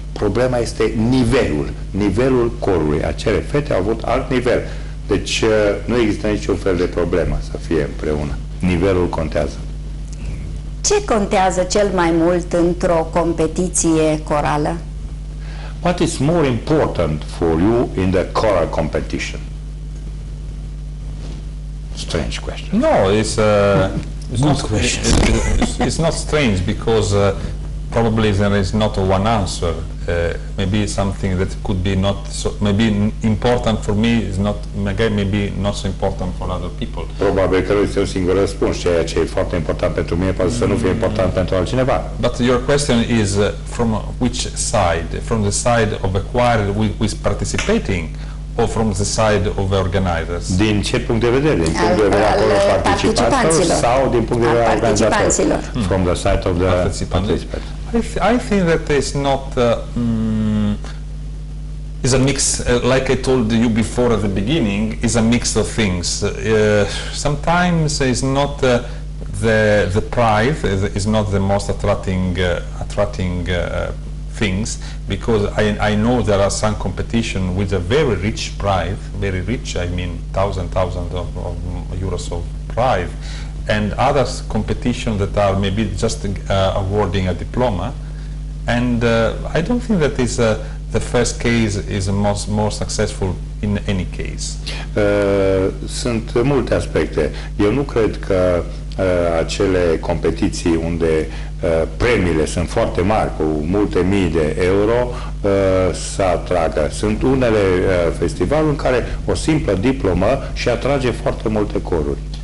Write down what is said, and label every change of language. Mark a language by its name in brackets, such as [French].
[Romanian] Problema este nivelul corului. Acele fete au avut alt nivel. Deci nu există niciun fel de problemă să fie împreună. Nivelul contează. Ce contează cel mai mult într-o competiție corală? [English] What is more important for you in the choral competition? Strange question. No, it's a... It's not strange, because probably there is not one answer. Maybe something that could be not so, maybe important for me is not, maybe not so important for other people. [Romanian] Probabil că nu este un singur răspuns. Ceea ce e foarte important pentru mine poate să nu fie important pentru altcineva. [English] But your question is from which side? From the side of a choir who is participating, or from the side of the organizers? [Romanian] Din ce punct de vedere? Din punct de vedere al participanților? Sau din punct de vedere al organizatorilor? [English] From the side of the participants. I think that it's not... it's a mix, like I told you before at the beginning, it's a mix of things. Sometimes it's not the pride, is not the most attracting things, because I know there are some competition with a very rich prize, very rich, I mean thousands of euros of prize, and other competition that are maybe just awarding a diploma, and I don't think that is the first case is more successful in any case. [Romanian] Sunt multe aspecte. Eu nu cred că acele competiții unde premiile sunt foarte mari, cu multe mii de euro, să atragă. Sunt unele festivaluri în care o simplă diplomă și atrage foarte multe coruri.